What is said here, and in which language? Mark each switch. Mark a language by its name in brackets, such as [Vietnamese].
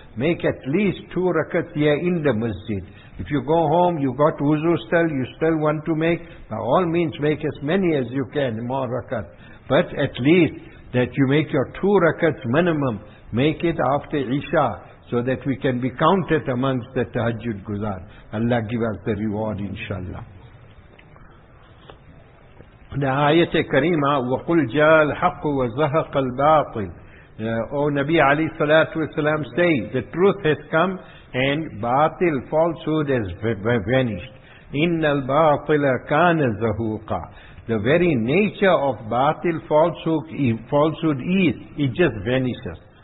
[English] Make at least 2 rakats here in the masjid. If you go home, you got wudu still, you still want to make, by all means make as many as you can, more rakats. But at least that you make your 2 rakats minimum, make it after Isha, so that we can be counted amongst the tahajjud guzar. Allah give us the reward, inshallah. The ayat kareema, [Arabic] وَقُلْ جَاءَ الْحَقُّ وَزَهَقَ الْبَاطِلُ. [English] O Nabi alayhi salatu wasalam, say, the truth has come and batil, falsehood, has vanished. [Arabic] Innal batila kana zahuqa. [English] The very nature of batil, falsehood is, it just vanishes.